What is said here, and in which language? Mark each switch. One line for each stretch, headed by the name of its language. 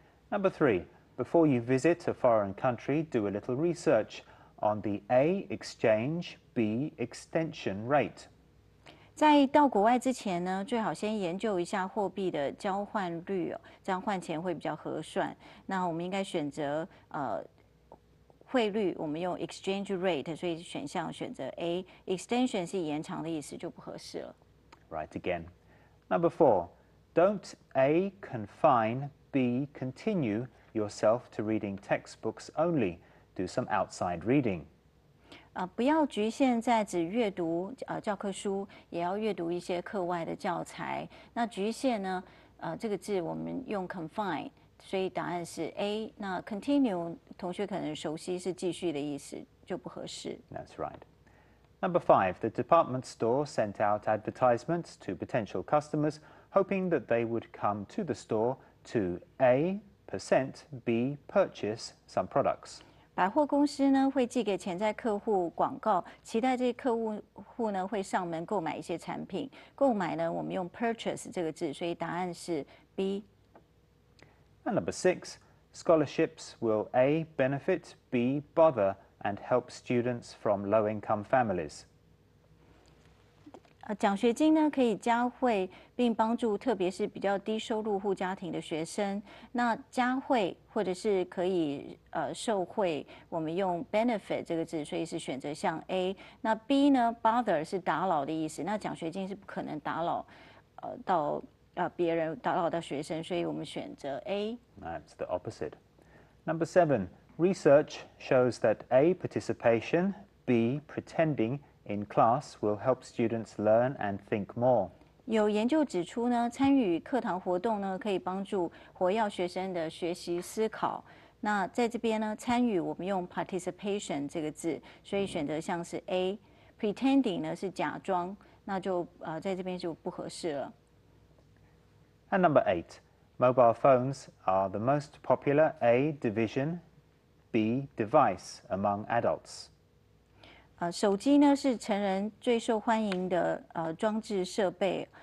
English: Number three, before you visit a foreign country, do a little research on the A, exchange, B, extension rate.
Chinese: 在到国外之前呢，最好先研究一下货币的交换率，这样换钱会比较合算。那我们应该选择汇率，我们用 exchange rate， 所以选项选择 A。 Extension 是延长的意思，就不合适了。
English: Right again. Number four, Don't A, confine, B, continue yourself to reading textbooks only. Do some outside reading.
Chinese: 不要局限在只阅读教科书，也要阅读一些课外的教材。那局限呢？这个字我们用 confine，所以答案是 A。那 continue 同学可能熟悉是继续的意思，就不合适。
English: That's right. Number 5, the department store sent out advertisements to potential customers, hoping that they would come to the store to A, percent, B, purchase some products.
Chinese: 百货公司呢会寄给潜在客户广告，期待这些客户呢会上门购买一些产品。购买呢我们用 purchase 这个字，所以答案是 B。
English: And number 6, scholarships will A, benefit, B, bother, and help students from low-income families.
Chinese: 奖学金呢可以加惠并帮助特别是比较低收入户家庭的学生。那加惠或者是可以受惠，我们用 benefit 这个字，所以是选择项 A。那 B 呢 ,bother 是打扰的意思，那奖学金是不可能打扰到别人打扰到学生，所以我们选择 A.
English: That's the opposite. Number 7. Research shows that A. Participation, B. Pretending in class will help students learn and think more.
Chinese: 有研究指出呢，参与课堂活动呢，可以帮助活跃学生的学习思考。那在这边呢，参与我们用 participation 这个字，所以选择项是 A. Pretending 呢是假装，那就在这边就不合适了。
English: And number 8, mobile phones are the most popular A, division, B, device among adults.
Chinese: 手机呢是成人最受欢迎的装置设备。